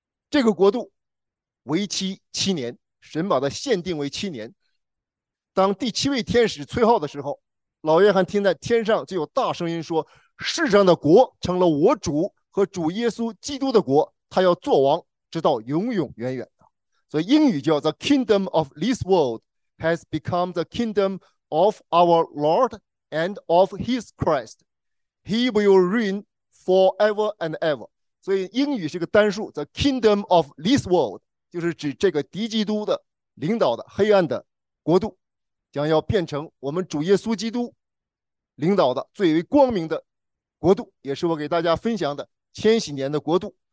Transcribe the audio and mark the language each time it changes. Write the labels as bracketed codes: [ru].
[zh] 这个国度为期7年，神把它限定为7年。当第七位天使吹号的时候，老约翰听在天上就有大声音说：“世上的国成了我主和主耶稣基督的国。” 他要做王，直到永永远远啊！所以英语叫 [en] "The kingdom of this world has become the kingdom of our Lord and of His Christ. He will reign forever and ever." [zh] 所以英语是个单数， [en] "The kingdom of this world" [zh] 就是指这个敌基督的领导的黑暗的国度。将要变成我们主耶稣基督领导的最为光明的国度，也是我给大家分享的千禧年的国度。